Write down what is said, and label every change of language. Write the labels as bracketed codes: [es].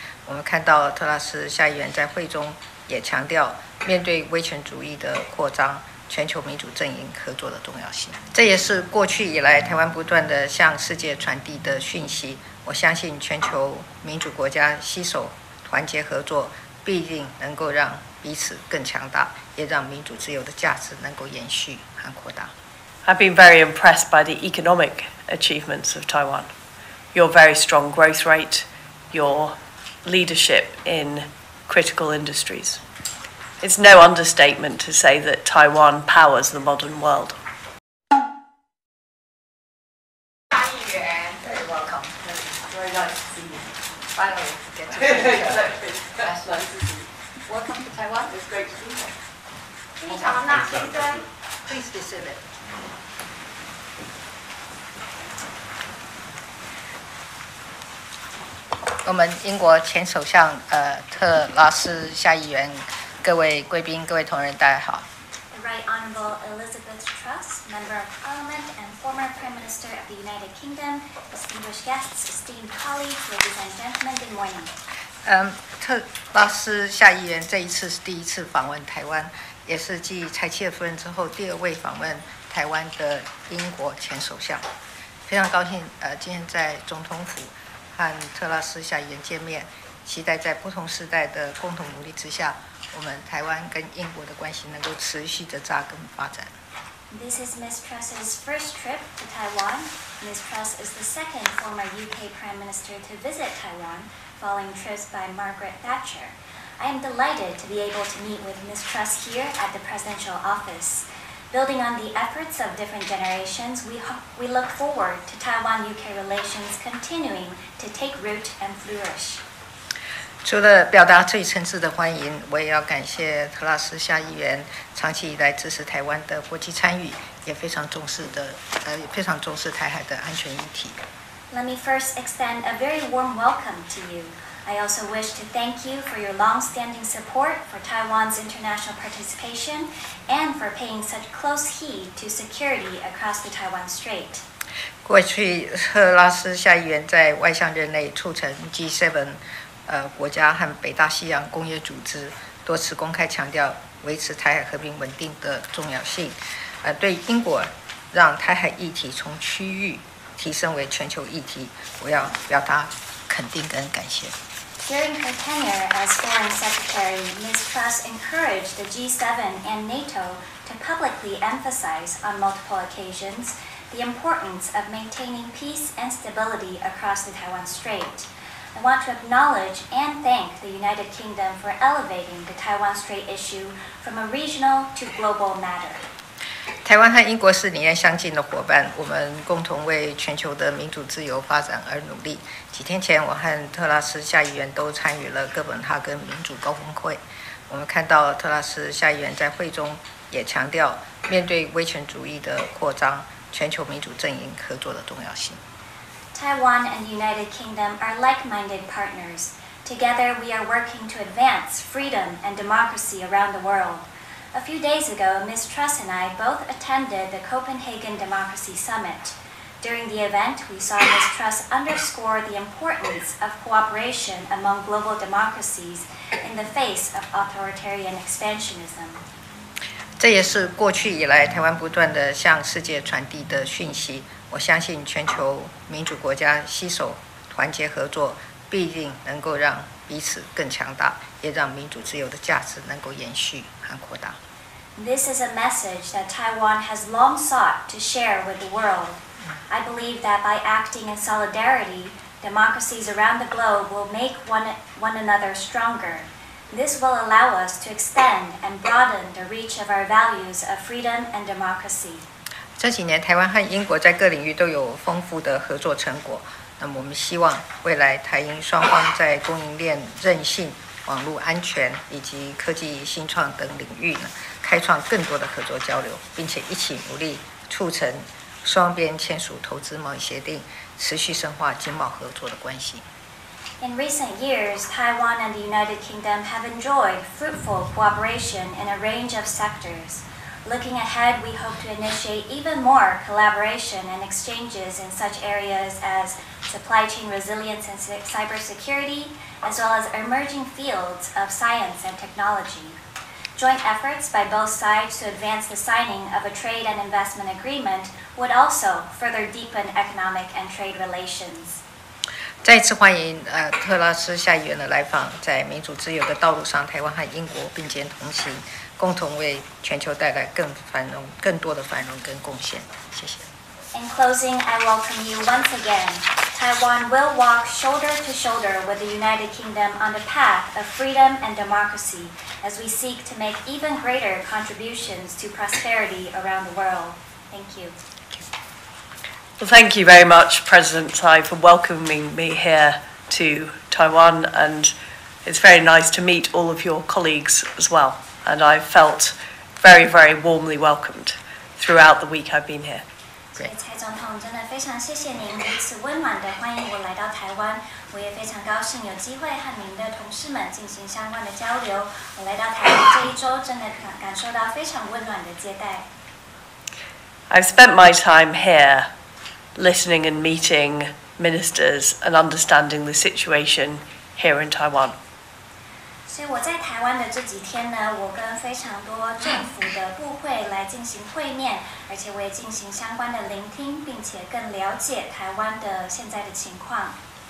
[zh] 我们看到特拉斯下议员在会中也强调，面对威权主义的扩张，全球民主阵营合作的重要性。这也是过去以来台湾不断地向世界传递的讯息。我相信全球民主国家携手团结合作，必定能够让彼此更强大，也让民主自由的价值能够延续和扩大。 [en] I've been very impressed by the economic achievements of Taiwan. Your very strong growth rate, your leadership in critical industries. It's no understatement to say that Taiwan powers the modern world. [zh] 欢迎员 [en] ，Very welcome. Very nice to see you. Finally, get to meet you. Nice to see you. Welcome to Taiwan. It's great to see you. [zh] 非常纳先生 ， [en] Please be seated. [zh] 我们英国前首相特拉斯下议员。各位贵宾，各位同仁，大家好。 [en] The Right Honourable Elizabeth Truss, Member of Parliament and former Prime Minister of the United Kingdom, distinguished guests, esteemed colleagues, ladies and gentlemen, good morning. [zh] 特拉斯下议员这一次是第一次访问台湾，也是继柴契尔夫人之后第二位访问台湾的英国前首相。非常高兴，今天在总统府和特拉斯下议员见面，期待在不同时代的共同努力之下。我们台湾跟英国的关系能够持续的扎根发展。 [en] This is Ms. Truss's first trip to Taiwan. Ms. Truss is the second former UK Prime Minister to visit Taiwan, following trips by Margaret Thatcher. I am delighted to be able to meet with Ms. Truss here at the presidential office. Building on the efforts of different generations, we look forward to Taiwan-UK relations continuing to take root and flourish. [zh] 除了表达最诚挚的欢迎，我也要感谢特拉斯下议员长期以来支持台湾的国际参与，也非常重视的，非常重视台海的安全议题。 [en] Let me first extend a very warm welcome to you. I also wish to thank you for your long-standing support for Taiwan's international participation and for paying such close heed to security across the Taiwan Strait. [zh] 过去特拉斯下议员在外相任内促成 G7。国家和北大西洋工业组织多次公开强调维持台海和平稳定的重要性，对英国让台海议题从区域提升为全球议题，我要表达肯定跟感谢。 [en] During her tenure as Foreign Secretary, Ms. Truss encouraged the G7 and NATO to publicly emphasize on multiple occasions the importance of maintaining peace and stability across the Taiwan Strait. I want to acknowledge and thank the United Kingdom for elevating the Taiwan Strait issue from a regional to global matter. [zh] 台湾和英国是理念相近的伙伴，我们共同为全球的民主自由发展而努力。几天前，我和特拉斯下议员都参与了哥本哈根民主高峰会。我们看到特拉斯下议员在会中也强调，面对威权主义的扩张，全球民主阵营合作的重要性。 [en] Taiwan and the United Kingdom are like-minded partners. Together, we are working to advance freedom and democracy around the world. A few days ago, Ms. Truss and I both attended the Copenhagen Democracy Summit. During the event, we saw Ms. Truss underscore the importance of cooperation among global democracies in the face of authoritarian expansionism. [zh] 这也是过去以来台湾不断地向世界传递的讯息。我相信全球民主国家携手团结合作，必定能够让彼此更强大，也让民主自由的价值能够延续和扩大。 [en] This is a message that Taiwan has long sought to share with the world. I believe that by acting in solidarity, democracies around the globe will make one another stronger. This will allow us to extend and broaden the reach of our values of freedom and democracy. [zh] 这几年台湾和英国在各领域都有丰富的合作成果，那么我们希望未来台英双方在供应链韧性、网络安全以及科技新创等领域呢，开创更多的合作交流，并且一起努力促成双边签署投资贸易协定，持续深化经贸合作的关系。 [en] In recent years, Taiwan and the United Kingdom have enjoyed fruitful cooperation in a range of sectors. Looking ahead, we hope to initiate even more collaboration and exchanges in such areas as supply chain resilience and cybersecurity, as well as emerging fields of science and technology. Joint efforts by both sides to advance the signing of a trade and investment agreement would also further deepen economic and trade relations. [zh] 再次欢迎特拉斯下议员的来访，在民主自由的道路上，台湾和英国并肩同行，共同为全球带来更繁荣、更多的繁荣跟贡献。谢谢。 [en] In closing, I welcome you once again. Taiwan will walk shoulder to shoulder with the United Kingdom on the path of freedom and democracy as we seek to make even greater contributions to prosperity around the world. Thank you. Well, thank you very much, President Tsai, for welcoming me here to Taiwan. And it's very nice to meet all of your colleagues as well. And I felt very, very warmly welcomed throughout the week I've been here. [zh] 蔡总统，真的非常谢谢您如此温暖的欢迎我来到台湾。我也非常高兴有机会和您的同事们进行相关的交流。我来到台湾这一周，真的感受到非常温暖的接待。 [en] I've spent my time here listening and meeting ministers and understanding the situation here in Taiwan. [zh] 所以我在台湾的这几天呢，我跟非常多政府的部会来进行会面，而且我也进行相关的聆听，并且更了解台湾的现在的情况。